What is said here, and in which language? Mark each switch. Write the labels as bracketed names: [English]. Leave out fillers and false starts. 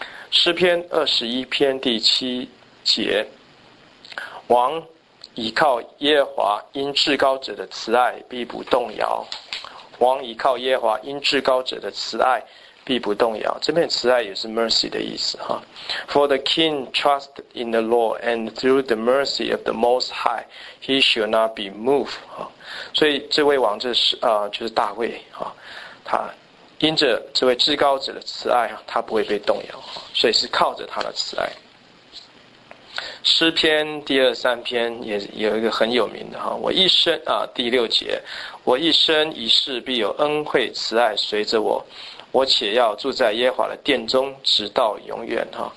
[Chinese] 诗篇21:7，王依靠耶和华，因至高者的慈爱必不动摇。王依靠耶和华，因至高者的慈爱必不动摇，这边慈爱也是 mercy 的意思。 [English] For the king trusted in the Lord, and through the mercy of the Most High, he shall not be moved. [Chinese] 所以这位王就是大卫，他因着这位至高者的慈爱，他不会被动摇，所以是靠着他的慈爱。诗篇2:3也有一个很有名的，我一生6:6，我一生一世必有恩惠慈爱随着我，我且要住在耶和华的殿中直到永远。